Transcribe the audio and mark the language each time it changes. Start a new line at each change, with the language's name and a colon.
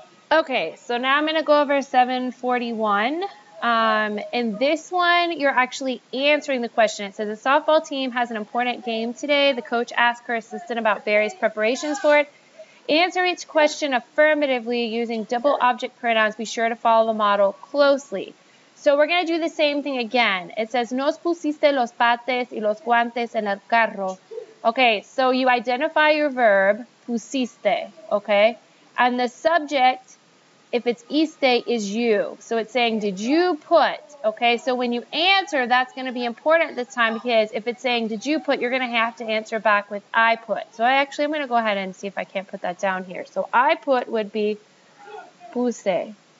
English: Okay, so now I'm going to go over 741. In this one, you're actually answering the question. It says the softball team has an important game today. The coach asked her assistant about various preparations for it. Answer each question affirmatively using double object pronouns. Be sure to follow the model closely. So we're going to do the same thing again. It says,
Spanish: nos pusiste los bates y los guantes en el carro.
English: Okay, so you identify your verb, pusiste, okay? And the subject, if it's iste, is you. So it's saying, did you put, okay? So when you answer, that's going to be important this time because if it's saying, did you put, you're going to have to answer back with I put. So I'm going to go ahead and see if I can't put that down here. So I put would be puse.